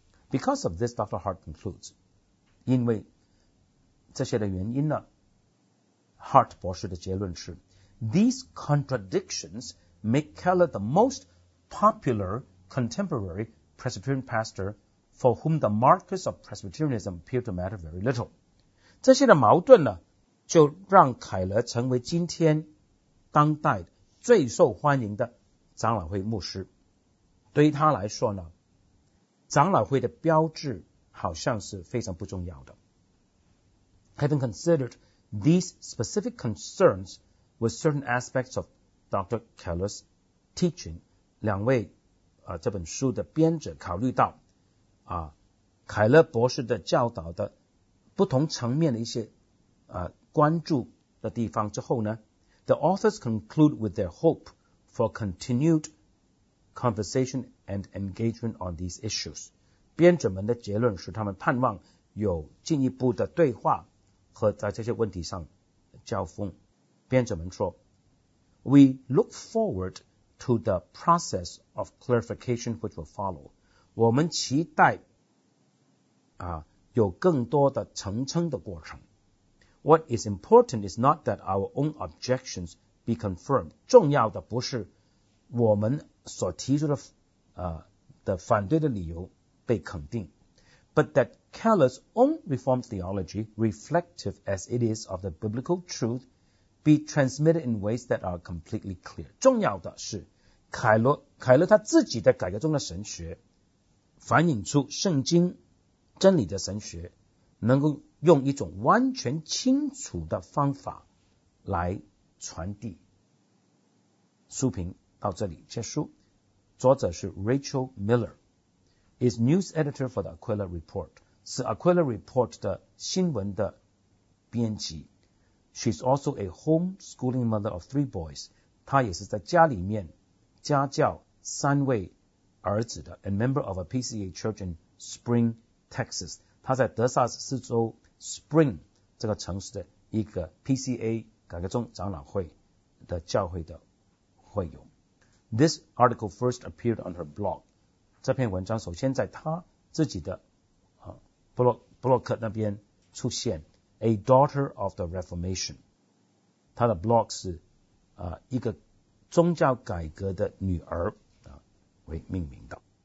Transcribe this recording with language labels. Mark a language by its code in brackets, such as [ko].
[en] Because of this, Dr. Hart concludes, [zh] 因为这些的原因呢， Hart 博士的结论是 [en] These contradictions make Keller the most popular contemporary Presbyterian pastor for whom the markers of Presbyterianism appear to matter very little. [zh] 这些的矛盾呢，就让凯勒成为今天当代最受欢迎的长老会牧师。对于他来说呢，长老会的标志好像是非常不重要的。 [en] Having considered these specific concerns with certain aspects of Dr. [zh] Keller's teaching, 两位这本书的编者考虑到凯勒博士的教导的不同层面的一些关注的地方之后呢， [en] the authors conclude with their hope for continued conversation and engagement on these issues. [zh] 编者们的结论是他们盼望有进一步的对话和在这些问题上交锋。编者们说， [en] We look forward to the process of clarification which will follow. [zh] 我们期待有更多的澄清的过程。 [en] What is important is not that our own objections be confirmed. [zh] 重要的不是我们所提出的反对的理由被肯定， [en] but that Keller's own Reformed theology, reflective as it is of the biblical truth, be transmitted in ways that are completely clear. [zh] 重要的是凯勒他自己的改革中的神学反映出圣经真理的神学，能够用一种完全清楚的方法来传递。书评到这里结束。作者是 [en] Rachel Miller, is news editor for the Aquila Report, [zh] 是 Aquila Report 的新闻的编辑。 [en] She's also a homeschooling mother of three boys. [zh] 她也是在家里面家教三位儿子的 [en] a member of a PCA church in Spring, Texas. [zh] 她在德萨斯州 Spring 这个城市的一个 PCA 改革宗长老会的教会的会友。 [en] This article first appeared on her blog. [zh] 这篇文章首先在她自己的博洛克那边出现 A Daughter of the Reformation. 她的 blog 是一个宗教改革的女儿为命名的。